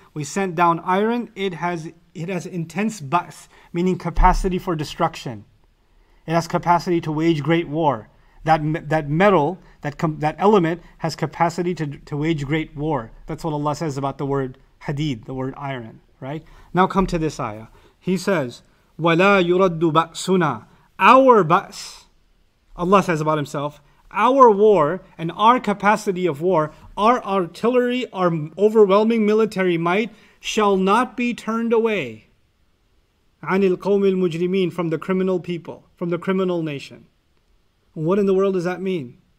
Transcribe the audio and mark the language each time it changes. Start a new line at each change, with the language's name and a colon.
English: We sent down iron, it has intense ba's, meaning capacity for destruction. It has capacity to wage great war. That metal, that element, has capacity to wage great war. That's what Allah says about the word hadid, the word iron, right? Now come to this ayah. He says,
Arabic: وَلَا يُرَدُّ بَأْسُنَا.
English: Our ba's, Allah says about Himself, our war and our capacity of war, our artillery, our overwhelming military might shall not be turned away.
Arabic: عَنِ الْقَوْمِ الْمُجْرِمِينَ.
English: From the criminal people, from the criminal nation. What in the world does that mean?